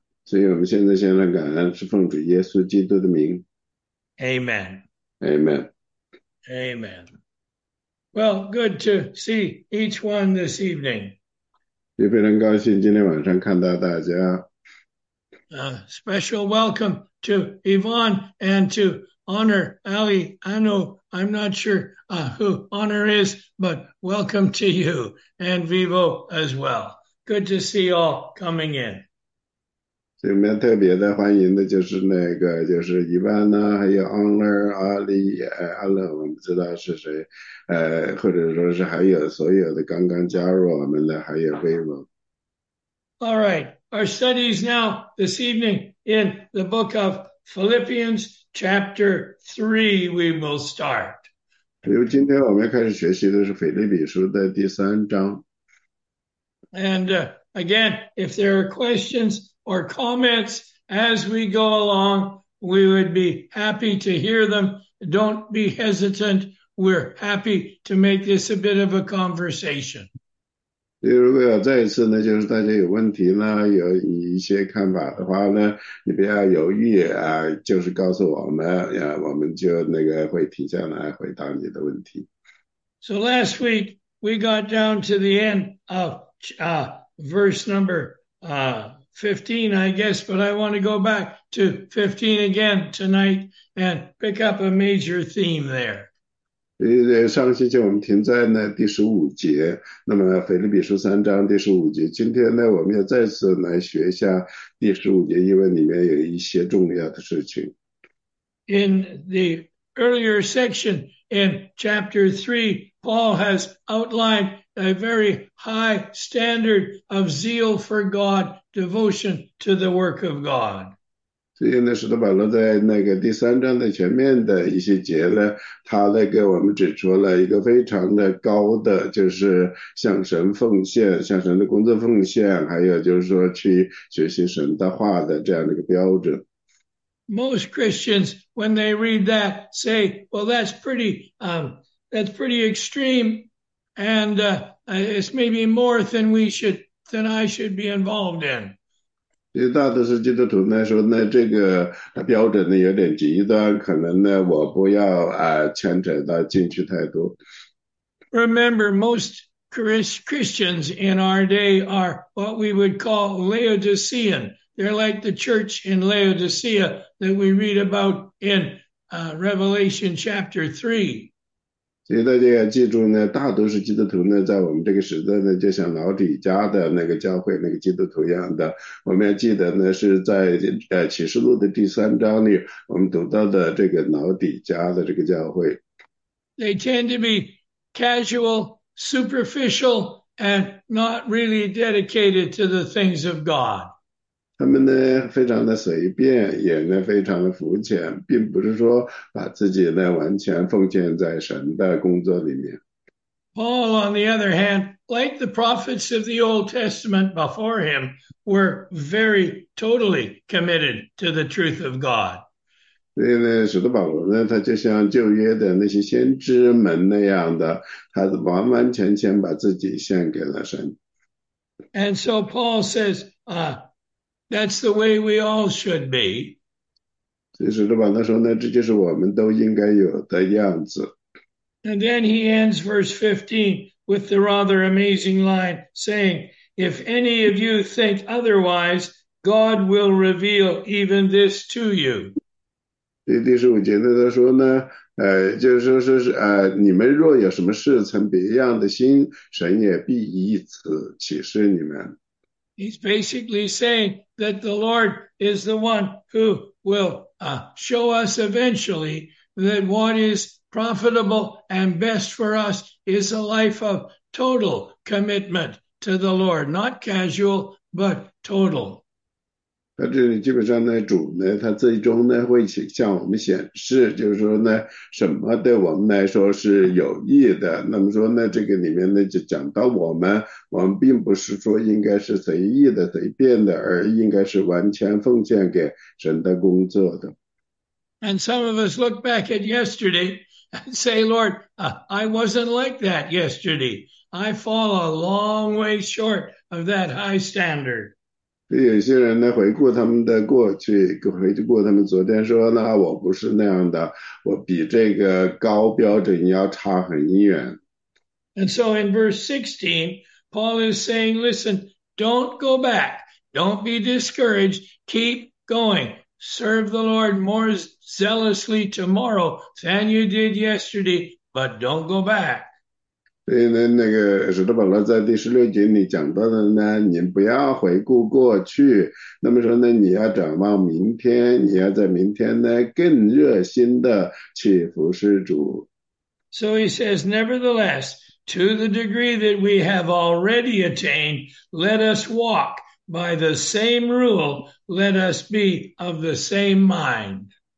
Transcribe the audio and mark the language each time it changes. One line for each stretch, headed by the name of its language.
Chinese: 所以我们现在先来感恩，是奉主耶稣基督的名。
English: Amen. Amen. Amen. Well, good to see each one this evening.
Chinese: 也非常高兴今天晚上看到大家。
English: Special welcome to Yvonne and to Honor Ali. I know I'm not sure who Honor is, but welcome to you and Vivo as well. Good to see all coming in.
Chinese: 这里面特别的欢迎的就是那个，就是伊万呢，还有 Honor Ali 阿乐，我们知道是谁，或者说是还有所有的刚刚加入我们的，还有 Vivo。
English: All right, our study is now this evening in the book of Philippians, chapter 3, we will start.
Chinese: 比如今天我们开始学习的是腓立比书的第三章。
English: And again, if there are questions or comments as we go along, we would be happy to hear them. Don't be hesitant. We're happy to make this a bit of a conversation.
Chinese: 如果要再一次呢，就是大家有问题呢，有一些看法的话呢，你不要犹豫就是告诉我们我们就那个会停下来回答你的问题。
English: So last week, we got down to the end of verse number 15, I guess, but I want to go back to 15 again tonight and pick up a major theme there.
Chinese: 上星期我们停在呢第十五节，那么腓立比书三章第十五节，今天呢我们要再次来学一下第十五节，因为里面有一些重要的事情。
English: In the earlier section in chapter 3, Paul has outlined a very high standard of zeal for God, devotion to the work of God.
Chinese: 所以呢，使徒保罗在那个第三章的前面的一些节呢，他呢给我们指出了一个非常的高的，就是向神奉献、向神的工作奉献，还有就是说去学习神的话的这样的一个标准。
English: Most Christians, when they read that, say, "Well, that's pretty extreme, and it's maybe more than we should, than I should be involved in."
Chinese: 所以大多数基督徒呢说呢这个标准呢有点极端，可能呢我不要牵扯到进去太多。
English: Remember, most Christians in our day are what we would call Laodicean. They're like the church in Laodicea that we read about in Revelation chapter 3.
Chinese: 所以大家要记住呢，大多数基督徒呢，在我们这个时代呢，就像老底家的那个教会那个基督徒一样的。我们要记得呢，是在启示录的第三章里，我们读到的这个老底家的这个教会。
English: They tend to be casual, superficial, and not really dedicated to the things of God.
Chinese: 他们呢非常的随便，也呢非常的肤浅，并不是说把自己呢完全奉献在神的工作里面。
English: Paul, on the other hand, like the prophets of the Old Testament before him, were very totally committed to the truth of God.
Chinese: 所以呢，使徒保罗呢，他就像旧约的那些先知们那样的，他完完全全把自己献给了神。
English: And so Paul says, That's the way we all should be.
Chinese: 所以使徒保罗说呢，这就是我们都应该有的样子。
English: And then he ends verse 15 with the rather amazing line saying, if any of you think otherwise, God will reveal even this to you.
Chinese: 第十五节呢，他说呢，就是说是你们若有什么事存别样的心，神也必以此启示你们。
English: He's basically saying that the Lord is the one who will show us eventually that what is profitable and best for us is a life of total commitment to the Lord, not casual, but total.
Chinese: 那这里基本上呢，主呢，他最终呢会向我们显示，就是说呢，什么对我们来说是有益的。那么说呢，这个里面呢就讲到我们并不是说应该是随意的、随便的，而应该是完全奉献给神的工作的。
English: And some of us look back at yesterday and say, Lord, I wasn't like that yesterday. I fall a long way short of that high standard.
Chinese: 有些人呢回顾他们的过去，回顾他们昨天说呢，我不是那样的，我比这个高标准要差很远。
English: And so in verse 16, Paul is saying, listen, don't go back, don't be discouraged, keep going, serve the Lord more zealously tomorrow than you did yesterday, but don't go back.
Chinese: 所以呢，那个使徒保罗在第十六节里讲到的呢，你不要回顾过去，那么说呢，你要展望明天，你要在明天呢更热心的去服侍主。
English: So he says, nevertheless, to the degree that we have already attained, let us walk by the same rule, let us be of the same mind.